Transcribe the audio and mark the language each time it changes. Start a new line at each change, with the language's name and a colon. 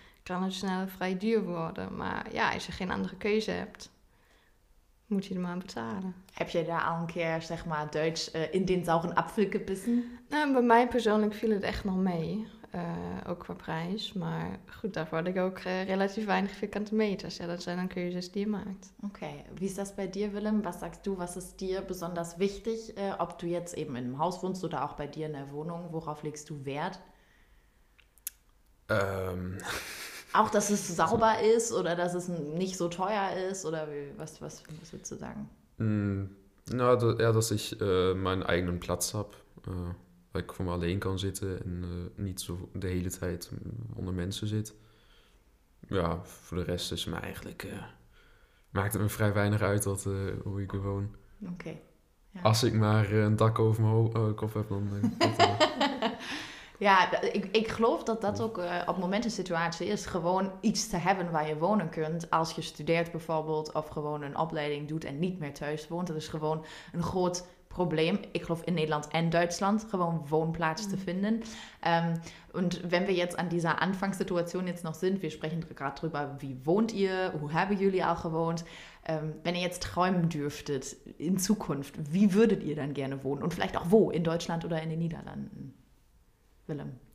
Dutch: Kan het snel vrij duur worden. Maar ja, als je geen andere keuze hebt, moet je er maar betalen. Heb je daar al een keer, zeg maar, Duits
German: in den sauren Apfel gebissen?
Dutch: Nou, bij mij persoonlijk viel het echt nog mee. Ook qua prijs. Maar goed, daarvoor had ik ook relatief weinig vierkante meters. Ja, dat zijn dan keuzes die je maakt. Oké. Wie is dat bij dir, Willem?
German: Wat sagst du, was ist dir besonders wichtig? Ob du jetzt eben in einem Haus wohnst oder auch bei dir in der Wohnung? Worauf legst du Wert? Auch, dass es sauber ist oder dass es nicht so teuer ist oder was würdest du sagen? Na, eher, dass ich meinen eigenen Platz habe, weil ich von allein kann sitzen und nicht so die hele Zeit unter Menschen sitze. Ja, für den Rest ist mir eigentlich,
Dutch: maakt het me vrij weinig uit,
German: hoe ich gewoon. Oké. Ja. Als ich maar ein Dach auf dem Kopf habe, dann denk ich.
Dutch: Ja, ik geloof dat dat ook op momenten een situatie is. Gewoon iets te hebben waar je wonen kunt. Als je studeert bijvoorbeeld of gewoon een opleiding doet en niet meer thuis woont. Dat is gewoon een groot probleem. Ik geloof in Nederland en Duitsland gewoon woonplaats te vinden.
German: Und wenn wir jetzt an dieser Anfangssituation jetzt noch sind, wir sprechen gerade drüber, wie wohnt ihr, wo haben Juli auch gewohnt. Wenn ihr jetzt träumen dürftet in Zukunft, wie würdet ihr dann gerne wohnen? Und vielleicht auch wo, in Deutschland oder in den Niederlanden? Willem?